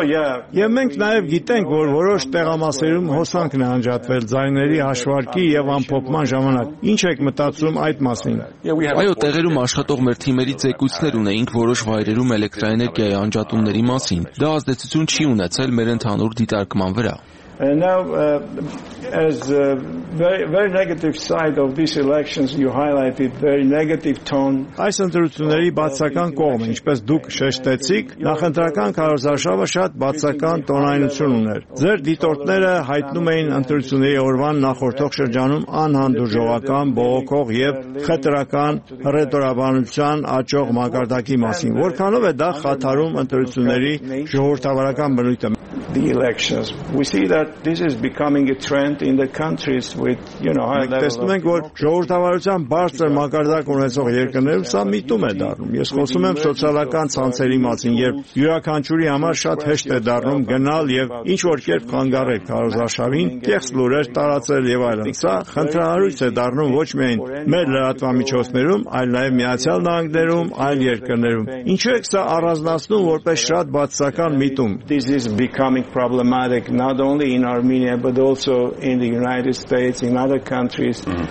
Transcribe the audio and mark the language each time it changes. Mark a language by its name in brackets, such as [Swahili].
[Armenian] Եվ մենք նաև գիտենք, որ որոշ տեղամասերում հոսանքն է անջատվել ձայների հաշվարկի եւ ամփոփման ժամանակ։ Ինչ եք մտածում այդ մասին։ Այո, տեղերում աշխատող մեր թիմերի ձեկուցներ ունեինք որոշ վայրերում էլեկտրաէներգիայի անջատումների մասին։ Դա ազդեցություն չի ունեցել մեր ընդհանուր դիտարկման վրա։ [English] And now, as a very, very negative side of these elections, you highlighted very negative tone. [Armenian] Այս ընտրությունների բացական կողմը, ինչպես դուք շեշտեցիք, նախընտրական քարոզարշավը շատ բացական տոնայնություն ուներ։ Ձեր դիտորդները հայտնում էին ընտրությունների օրվան նախորդող շրջանում անհանդուրժողական, բողոքող եւ խտրական ռետորաբանության աճող մակարդակի մասին, որքանով է դա խաթարում ընտրությունների ժողովրդավարական բնույթը։ [English] The elections. We see that this is becoming a trend in the countries with, high levels. [Armenian] Մենք տեսնում ենք, որ ժողովրդավարության բարձր մակարդակ ունեցող երկրներում սա միտում է դառնում։ Ես խոսում եմ սոցիալական ցանցերի մասին, երբ յուրաքանչյուրի համար շատ հեշտ է դառնում գնալ եւ ինչ որ կերպ կանգառել քարոզարշավին, տեղս լուրեր տարածել եւ այլն։ Սա խնդրահարույց է դառնում ոչ միայն մեր լրատվամիջոցներում, այլ նաեւ միացյալ նահանգներում, այլ երկրներում։ Ինչու է սա առանձնացնում որպես շատ բացական միտում։ [English] Becoming problematic not only in Armenia but also in the United States, in other countries.